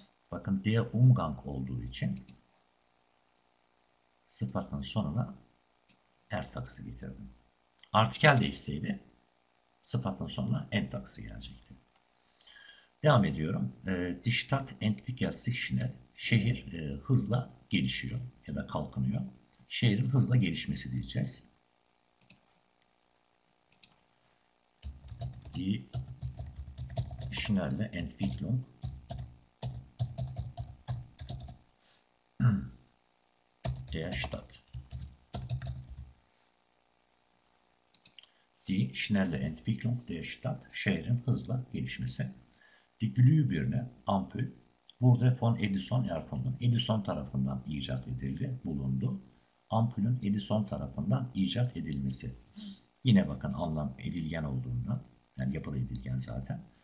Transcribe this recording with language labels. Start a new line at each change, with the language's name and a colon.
Turkish: Bakın diye umgang olduğu için sıfatın sonuna er takısı getirdim. Artikel değişseydi sıfatın sonuna en takısı gelecekti. Devam ediyorum.
German: Die Stadt entwickelt sich schnell.
Turkish: Şehir hızla gelişiyor ya da kalkınıyor. Şehrin hızla gelişmesi diyeceğiz.
German: Die schnelle Entwicklung. Der Stadt. Die schnelle Entwicklung der Stadt.
Turkish: Şehrin hızla gelişmesi. Die Glühbirne, ampul. Burada
German: von Edison erfunden.
Turkish: Edison tarafından icat edildi, bulundu. Ampulün Edison tarafından icat edilmesi. Yine bakın anlam edilgen olduğundan, yani yapılı edilgen zaten.